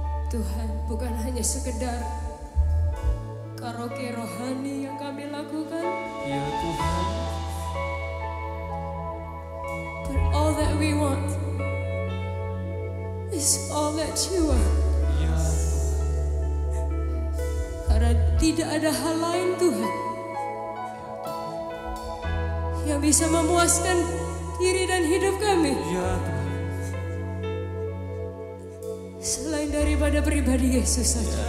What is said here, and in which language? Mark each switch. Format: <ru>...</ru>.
<id>Tuhan bukan hanya sekedar karaoke rohani yang kami lakukan. Ya Tuhan.</id> <en>But all that we want is all that you are.</en> <id>Ya. Karena tidak ada hal lain Tuhan yang bisa memuaskan diri dan hidup kami. Ya Tuhan. Selain daripada pribadi Yesus saja.</id>